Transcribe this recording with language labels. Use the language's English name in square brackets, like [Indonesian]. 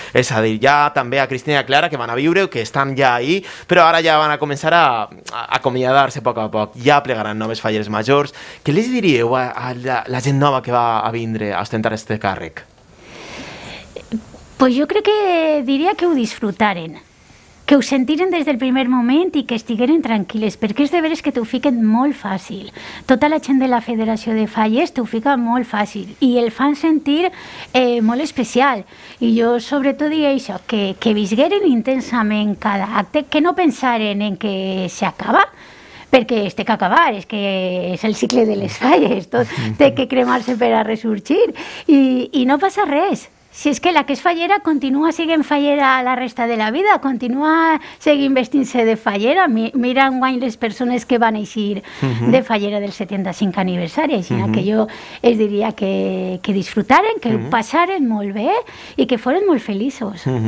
[Catalan] És a dir, ja també a Cristina i a Clara, que van a viure, que estan ja ahí, però ara ja van a començar a acomiadar-se poc a poc. Ja plegaran noves falleres majors. Què les diríeu a la gent nova que va a vindre a ostentar este càrrec? [Spanish] Pues yo creo que diría que [Catalan] ho disfrutaren. Que ho sentiren des del primer moment i que estigueren tranquil·les, perquè és de veres que t'ho fiquen molt fàcil. Tota la gent de la Federació de Falles t'ho fica molt fàcil i el fan sentir molt especial. I jo sobretot diria això, que visgueren intensament cada acte, que no pensaren en que s'acaba, perquè es té que acabar, és que és el cicle de les falles, tot té que cremar-se per a ressorgir i no passa res. [Spanish] Si es que la que es fallera continúa, sigue en fallera la resta de la vida, continúa, sigue investiéndose de fallera. Miran guay las personas que van a ir de fallera del 75 aniversario, sino que yo les diría que disfrutaren, que pasaren muy bien y que fueran muy felices.